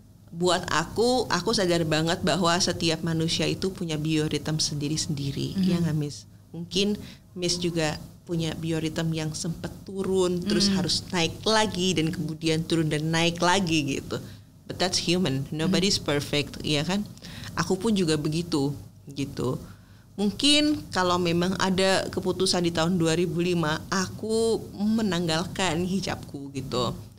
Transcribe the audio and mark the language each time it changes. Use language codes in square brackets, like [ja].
[id] Buat aku sadar banget bahwa setiap manusia itu punya bioritem sendiri-sendiri, ya gak Miss? Mungkin Miss juga punya bioritem yang sempat turun, terus harus naik lagi, dan kemudian turun dan naik lagi gitu. [en] But that's human, nobody's perfect, ya kan? [id] Aku pun juga begitu, gitu. Mungkin kalau memang ada keputusan di tahun 2005, aku menanggalkan hijabku gitu.